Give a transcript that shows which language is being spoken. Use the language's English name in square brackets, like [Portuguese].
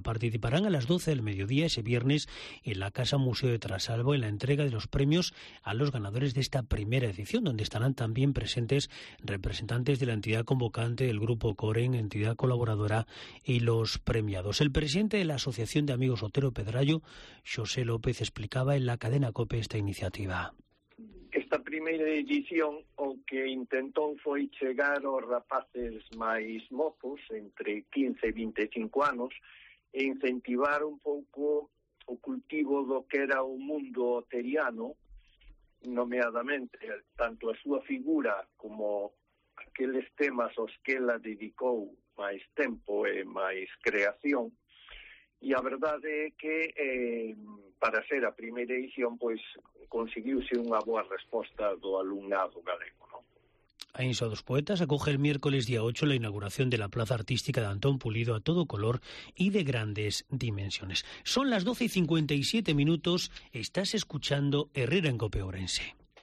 [Spanish] Participarán a las 12 del mediodía ese viernes en la Casa Museo de Trasalba en la entrega de los premios a los ganadores de esta primera edición, donde estarán también presentes representantes de la entidad convocante del Grupo Coren, entidad colaboradora, y los premiados. El presidente de la Asociación de Amigos Otero Pedrallo, José López, explicaba en la cadena COPE esta iniciativa. [Galician] Esta primeira edición o que intentou foi chegar aos rapaces máis mozos, entre 15 e 25 anos, e incentivar un pouco o cultivo do que era o mundo oteriano, nomeadamente tanto a súa figura como aqueles temas aos que ela dedicou máis tempo e máis creación. E a verdade é que para ser a primeira edición, pois conseguiuse unha boa resposta do alumnado galego. [Spanish] A Insoa dos Poetas acoge el miércoles día 8 la inauguración de la Plaza Artística de Antón Pulido a todo color y de grandes dimensiones. Son las 12:57. Estás escuchando Herrera en COPE Ourense.